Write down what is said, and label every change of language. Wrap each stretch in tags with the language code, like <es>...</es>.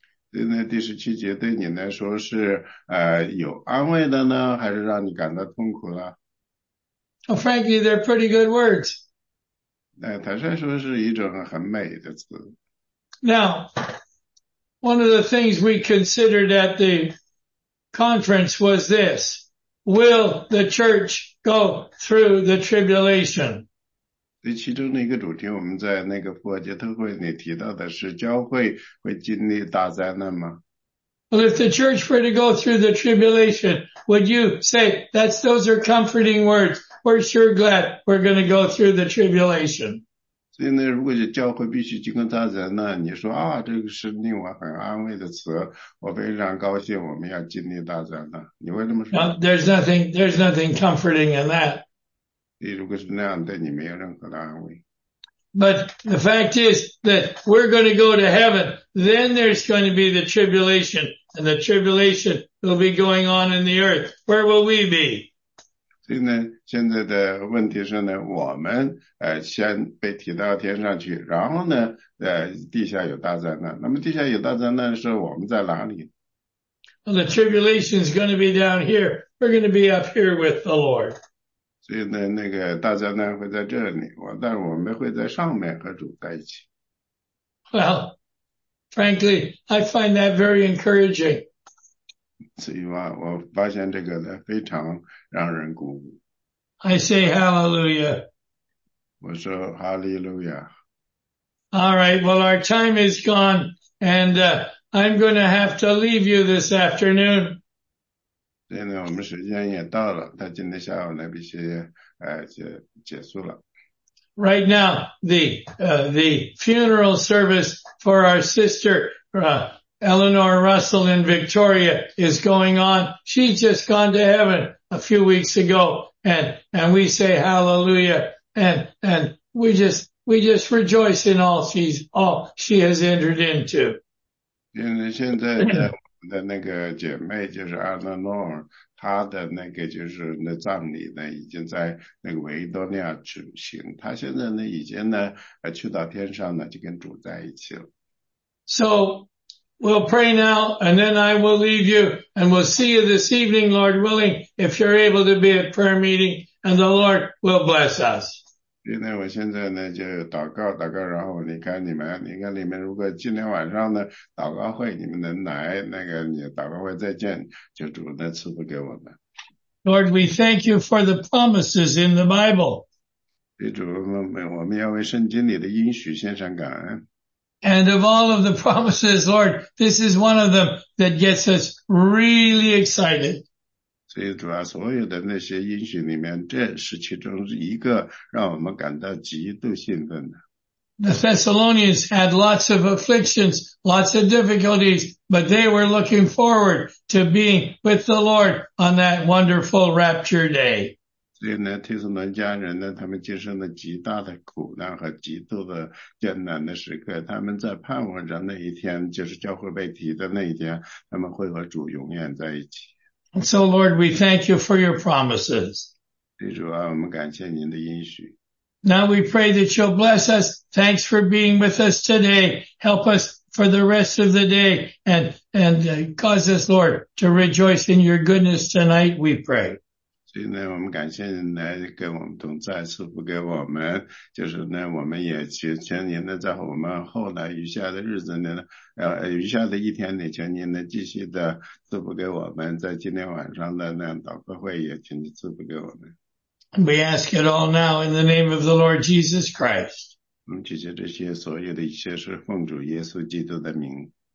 <zh>对那第十七节对你来说是有安慰的呢，还是让你感到痛苦呢？</zh> <en>Well, frankly, they're pretty good words.</en> <zh>坦率说是一种很美的词。</zh> <en>Now, one of the things we considered at the conference was this. Will the church go through the tribulation?</en> <zh>这其中的一个主题我们在那个复活节特会里提到的是教会会经历大灾难吗？</zh> <en>Well, if the church were to go through the tribulation, would you say, those are comforting words. We're sure glad we're going to go through the tribulation.</en> <zh>所以呢，如果是教会必须经过大灾难，你说啊，这个是令我很安慰的词，我非常高兴我们要经历大灾难。你会这么说</zh> <en>？No, there's nothing comforting in that.</en> <zh>如果是那样，对你没有任何的安慰。</zh> <en>But the fact is that we're going to go to heaven. Then there's going to be the tribulation, and the tribulation will be going on in the earth. Where will we be?</en> <zh>所以呢，现在的问题是呢，我们先被提到天上去，然后呢，地下有大灾难。那么地下有大灾难的时候，我们在哪里</zh> <en>？Well, the tribulation is going to be down here. We're going to be up here with the Lord.</en> <zh>所以呢，那个大灾难会在这里，但我们会在上面和主在一起。</zh> <en>Well, frankly, I find that very encouraging.</en> <zh>所以吧，我发现这个呢非常让人鼓舞。</zh> <en>I say hallelujah.</en> <zh>我说 hallelujah.</zh> <en>All right, well, our time is gone, and I'm going to have to leave you this afternoon.</en> <zh>对呢，我们时间也到了，他今天下午呢必须结束了。</zh> <en>Right now, the funeral service for our sister. Eleanor Russell in Victoria is going on. She's just gone to heaven a few weeks ago. And we say hallelujah. And we just rejoice in all she has entered into.</en> <zh>现在的那个姐妹就是 Eleanor, 他的那个就是那葬礼呢，已经在那个维多利亚举行。他现在呢，已经呢，去到天上呢，就跟主在一起了。</zh> <en>So we'll pray now, and then I will leave you, and we'll see you this evening, Lord willing, if you're able to be at prayer meeting, and the Lord will bless us.</en> <zh>今天我现在呢就祷告祷告，然后离开你们，离开你们。如果今天晚上呢祷告会你们能来，那个你祷告会再见，就主的赐福给我们。</zh> <en>Lord, we thank you for the promises in the Bible.</en> <zh>对主，我们要为圣经里的应许献上感恩。</zh> <en>And of all of the promises, Lord, this is one of them that gets us really excited.</en> <zh>所以主啊，所有的那些应许里面，这是其中一个让我们感到极度兴奋的。</zh> <en>The Thessalonians had lots of afflictions, lots of difficulties, but they were looking forward to being with the Lord on that wonderful rapture day.</en> <zh>所以呢，提斯伦家人呢，他们经受了极大的苦难和极度的艰难的时刻，他们在盼望着那一天，就是教会被提的那一天，他们会和主永远在一起。</zh> <en>And so, Lord, we thank you for your promises.</en> <zh>对主啊，我们感谢您的应许。</zh> <en>Now we pray that you'll bless us. Thanks for being with us today. Help us for the rest of the day and cause us, Lord, to rejoice in your goodness tonight, we pray.</en> <zh>所以呢，我们感谢您来跟我们同在，赐福给我们。就是呢，我们也求您呢，在我们后来余下的日子呢，余下的一天呢，求您呢继续的赐福给我们。在今天晚上的那祷告会，也请您赐福给我们。</zh> <en>We ask it all now in the name of the Lord Jesus Christ.</en> <zh>我们祈求这些所有的一切是奉主耶稣基督的名。</zh>